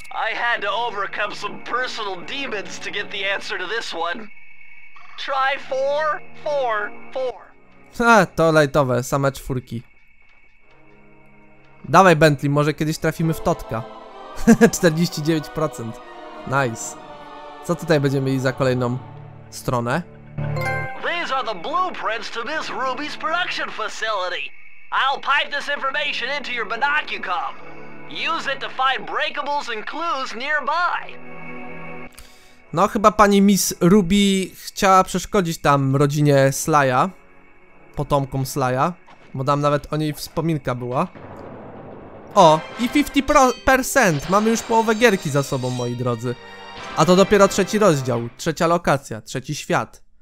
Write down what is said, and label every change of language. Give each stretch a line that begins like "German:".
English: I had to overcome some personal demons to get the answer to this one. Try 4, 4, 4.
Polish: Ha, to lightowe, same czwórki. Dawaj Bentley, może kiedyś trafimy w totka. 49%. Nice. Co tutaj będziemy mieli za kolejną stronę?
English: These are the blueprints to Miss Ruby's production facility. I'll pipe this information into your binoculcom. Use it to find breakables and clues nearby.
Polish: No, chyba pani Miss Ruby chciała przeszkodzić tam rodzinie Slya, potomkom Slya, bo tam nawet o niej wspominka była. O, i 50%! Mamy już połowę gierki za sobą, moi drodzy. A to dopiero trzeci rozdział, trzecia lokacja, trzeci świat.